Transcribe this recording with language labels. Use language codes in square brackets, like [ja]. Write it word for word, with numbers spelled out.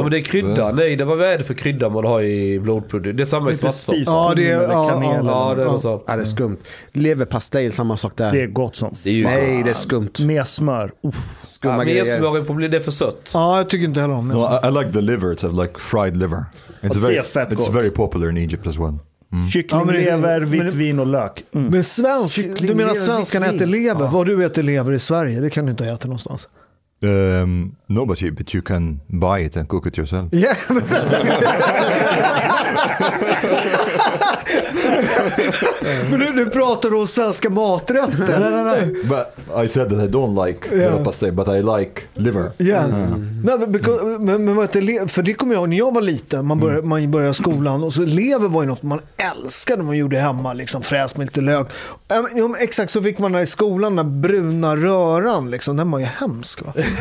[sv] Ja, men det är krydda. Mm. Nej, det var vad är det för krydda man har i blodpudding? Det är samma i svartsås. Ja, det är kanel. Ja, det är så. Ja, det är skumt. Leverpastej, samma sak där. Det är gott som. Det är ju... Nej, det är skumt. Med smör. Uff. Skumma ja, med smör på blir det för sött. Ja, jag tycker inte heller om [en] det. No, I, I like the liver. It's like fried liver. It's very it's very popular in Egypt as well. Mm. [sv] Kycklinglever, vitt men, vin och lök. Mm. Men svensk, du menar svenskarna äter lever? Ja. Vad du äter lever i Sverige, det kan du inte äta någonstans. [en] Um, no, but you, but you can buy it and cook it yourself. Yeah. [sv] Men nu, nu pratar du om svenska maträtter. [en] No, no, no. But I said that I don't like yeah. pastej, but I like liver. Yeah. Mm. [sv] Nej, men, because, men, men vad heter, för det kommer jag när jag var liten. Man började, mm. man började skolan och så lever var ju något man älskade man gjorde hemma, liksom fräs med lite lök. Um, exakt så fick man där i skolan den där bruna röran, liksom den var ju hemsk va.